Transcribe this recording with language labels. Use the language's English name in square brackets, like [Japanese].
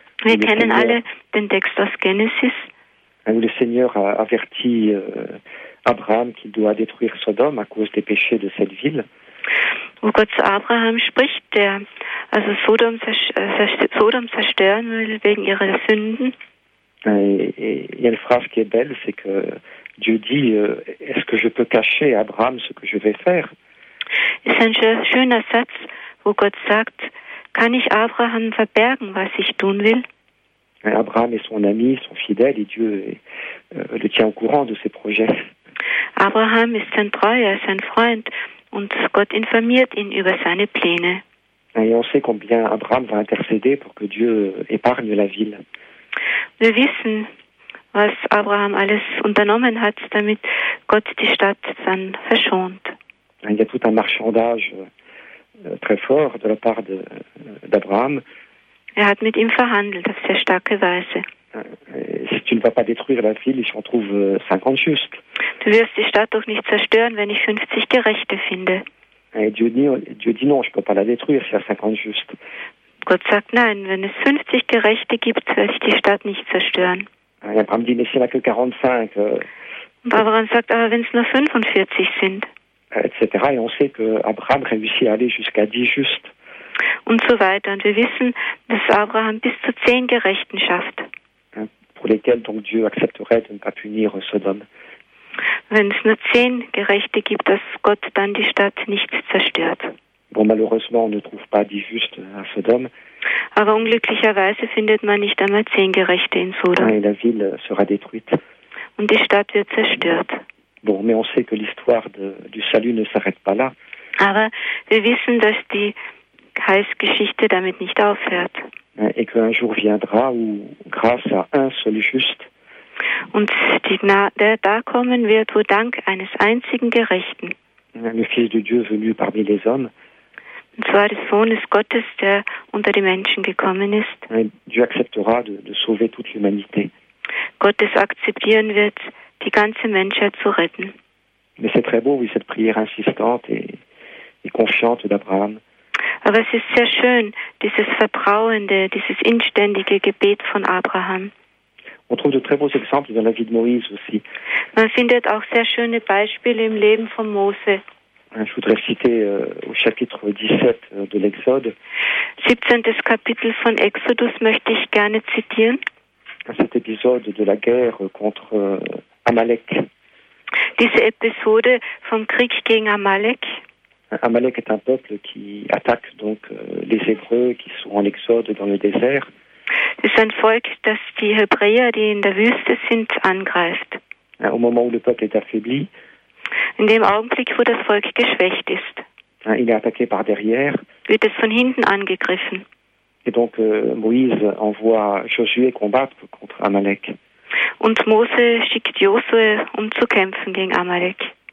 [German] Wir kennen alle den Text aus Genesis. [French] Où le Seigneur a averti Abraham qu'il doit détruire Sodome à cause des péchés de cette ville. [German] Wo Gott zu Abraham spricht, der also Sodom zerstören will wegen ihrer Sünden. [French] Il y a une phrase qui est belle, c'est que Dieu dit, est-ce que je peux cacher à Abraham ce que je vais faire? C'est un [German] schöner Satz, wo Gott sagt, kann ich Abraham verbergen, was ich tun will? [French] Abraham est son ami, son fidèle, et Dieu le tient au courant de ses projets. [German] Abraham ist sein Treuer, sein Freund, und Gott informiert ihn über seine Pläne. [French] Et on sait combien Abraham va intercéder pour que Dieu épargne la ville. [German] Wir wissen, was Abraham alles unternommen hat, damit Gott die Stadt dann verschont. [French] Il y a tout un marchandage très fort de la part d'Abraham. [German] Er hat mit ihm verhandelt auf sehr starke Weise. [French] Si tu ne vas pas détruire la ville, [German] ich [French] trouve 50 justes. [German] Du wirst die Stadt doch nicht zerstören, wenn ich 50 Gerechte finde. [French] Dieu dit non, je peux pas la détruire, s'il y a 50 justes. [German] Gott sagt nein, wenn es 50 Gerechte gibt, werde ich die Stadt nicht zerstören. [French] Et Abraham dit, mais s'il y a que 45. [German] Und Abraham sagt, aber wenn es nur 45 sind. [French] Etc. Et on sait que Abraham réussit à aller jusqu'à 10 justes. [German] Und so weiter. Und wir wissen, dass Abraham bis zu 10 Gerechten schafft. [French] Pour lesquels donc Dieu accepterait de ne pas punir Sodome. [German] Wenn es nur 10 Gerechte gibt, dass Gott dann die Stadt nicht zerstört. [French] Bon, malheureusement, on ne trouve pas 10 justes à Sodome. [German] Aber unglücklicherweise findet man nicht einmal 10 Gerechte in Sodom. [French] Et la ville sera détruite. [German] Und die Stadt wird zerstört. [French] Bon, mais on sait que l'histoire du salut ne s'arrête pas là. [German] Aber wir wissen, dass die Heilsgeschichte damit nicht aufhört. [French] Et qu'un jour viendra où, grâce à un seul juste. [German] Und der da kommen wird, wo dank eines einzigen Gerechten. [French] Le Fils de Dieu venu parmi les hommes. [German] Und zwar des Sohnes Gottes, der unter die Menschen gekommen ist. [French] Dieu acceptera de sauver toute l'humanité. [German] Gottes akzeptieren wird, die ganze Menschheit zu retten. [French] Mais c'est très beau, oui, cette prière insistante et confiante d'Abraham. [German] Aber es ist sehr schön, dieses vertrauende, dieses inständige Gebet von Abraham. [French] On trouve de très beaux exemples dans la vie de Moïse aussi. [German] Man findet auch sehr schöne Beispiele im Leben von Mose. [French] Je voudrais citer au chapitre 17 de l'Exode. [German] 17. Kapitel von Exodus möchte ich gerne zitieren. [French] Cet épisode de la guerre contre Amalek. [German] Diese Episode vom Krieg gegen Amalek. [French] Amalek est un peuple qui attaque donc les Hébreux qui sont en Exode dans le désert. C'est un [German] Volk, das die Hebräer, die in der Wüste sind, angreift. [French] Au moment où le peuple est affaibli. [German] In dem Augenblick, wo das Volk geschwächt ist. [French] Il est attaqué par derrière. [German] Wird es von hinten angegriffen. [French] Et donc Moïse envoie Josué combattre contre Amalek. [German] Und Mose schickt Josué, um zu kämpfen gegen Amalek.